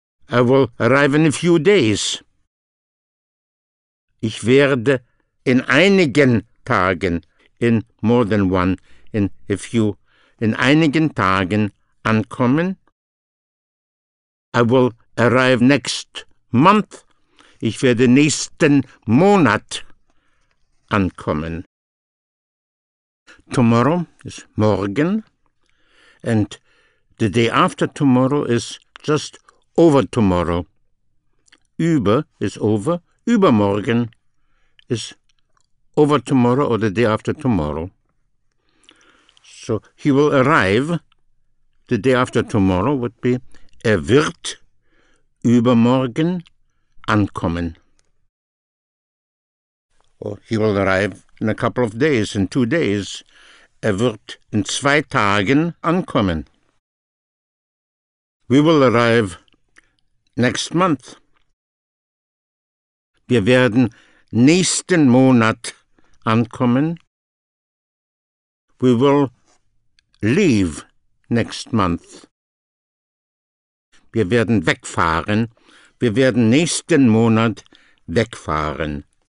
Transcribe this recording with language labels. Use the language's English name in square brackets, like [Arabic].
[English] I will arrive in a few days. [German] Ich werde in einigen Tagen, [English] in more than one, in a few, [German] in einigen Tagen ankommen. [English] I will arrive next month. [German] Ich werde nächsten Monat ankommen. [English] Tomorrow is morgen, and the day after tomorrow is just over tomorrow. Über is over, übermorgen is over tomorrow or the day after tomorrow. So he will arrive the day after tomorrow would be [German] er wird übermorgen ankommen. [English] Or he will arrive in a couple of days, in 2 days. [German] Er wird in 2 Tagen ankommen. [English] We will arrive next month. [German] Wir werden nächsten Monat ankommen. [English] We will leave next month. [German] Wir werden wegfahren. Wir werden nächsten Monat wegfahren.